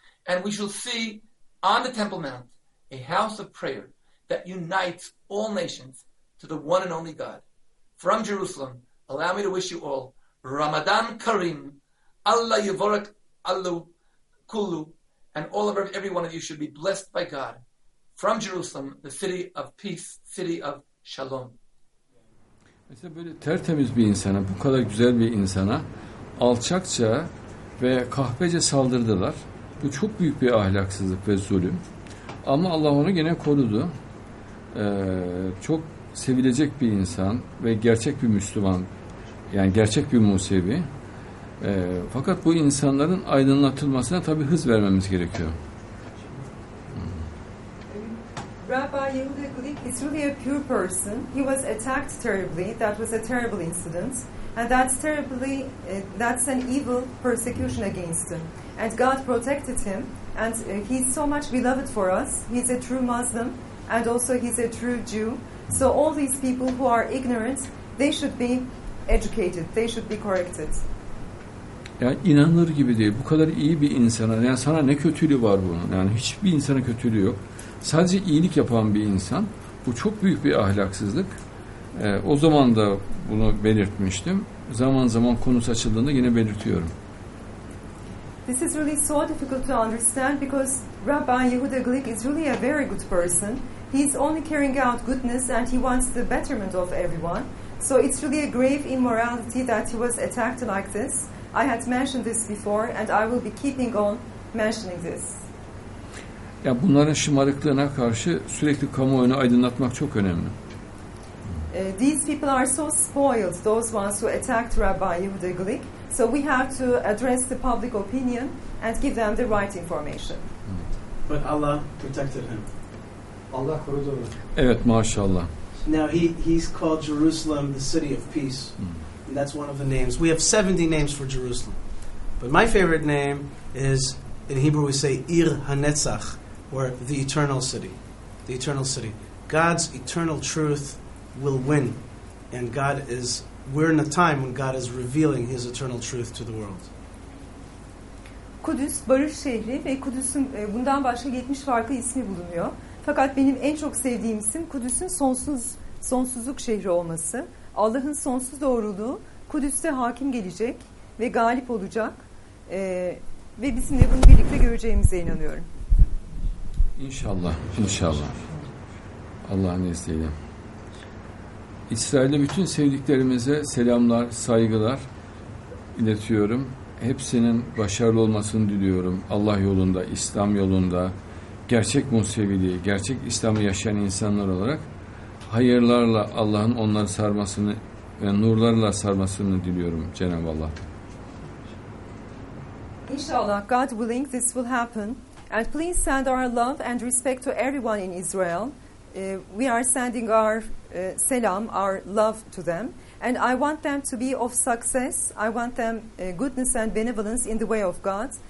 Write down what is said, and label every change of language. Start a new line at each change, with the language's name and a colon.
English: And we shall see on the Temple Mount a house of prayer that unites all nations to the one and only God. From Jerusalem, allow me to wish you all Ramadan Karim, Allah Yivorek Alu Kulu, and all of every one of you should be blessed by God. From Jerusalem, the city of peace, city of shalom.
Turkish: Mesela böyle tertemiz bir insana, bu kadar güzel bir insana alçakça ve kahpece saldırdılar. Bu çok büyük bir ahlaksızlık ve zulüm. Ama Allah onu yine korudu. Çok sevilecek bir insan ve gerçek bir Müslüman, yani gerçek bir Musevi. Fakat bu insanların aydınlatılmasına tabii hız vermemiz gerekiyor.
English: Rabbi Yehuda Glick is really a pure person. He was attacked terribly. That was a terrible incident. And that's an evil persecution against him. And God protected him. And he's so much beloved for us. He's a true Muslim. And also he's a true Jew. So all these people who are ignorant, they should be educated. They should be corrected.
Turkish: Yani inanılır gibi değil. Bu kadar iyi bir insana, yani sana ne kötülüğü var bunun? Yani hiçbir insana kötülüğü yok. Sadece iyilik yapan bir insan. Bu çok büyük bir ahlaksızlık. O zaman da bunu belirtmiştim. Zaman zaman konusu açıldığında yine belirtiyorum.
English: This is really so difficult to understand because Rabbi Yehuda Glick is really a very good person. He's only carrying out goodness and he wants the betterment of everyone. So it's really a grave immorality that he was attacked like this. I had mentioned this before and I will be keeping on mentioning this.
Turkish: Ya bunların şımarıklığına karşı sürekli kamuoyunu aydınlatmak çok önemli.
English: These people are so spoiled, those ones who attacked Rabbi Yehuda Glick. So we have to address the public opinion and give them the right information. But Allah protected him.
Turkish: Allah korudu onu. Evet, maşallah.
English: Now he's called Jerusalem the city of peace. Hmm. And that's one of the names. We have 70 names for Jerusalem. But my favorite name is, in Hebrew we say Ir HaNetzach, or the eternal city. The eternal city. God's eternal truth will win. And God is, we're in a time when God is revealing his eternal truth to the world.
Turkish: Kudüs, barış şehri ve Kudüs'ün bundan başka 70 farklı ismi bulunuyor. Fakat benim en çok sevdiğim isim Kudüs'ün sonsuzluk şehri olması. Allah'ın sonsuz doğruluğu Kudüs'te hakim gelecek ve galip olacak. Ve bizim de bunu birlikte göreceğimize inanıyorum. İnşallah, inşallah. Allah'ın izniyle. İsrail'de bütün sevdiklerimize selamlar, saygılar iletiyorum. Hepsinin başarılı olmasını diliyorum. Allah yolunda, İslam yolunda, gerçek Museviliği, gerçek İslam'ı yaşayan insanlar olarak hayırlarla Allah'ın onları sarmasını ve nurlarla sarmasını diliyorum Cenab-ı Allah.
English: İnşallah, God willing, this will happen. And please send our love and respect to everyone in Israel. We are sending our selam, our love to them. And I want them to be of success. I want them goodness and benevolence in the way of God.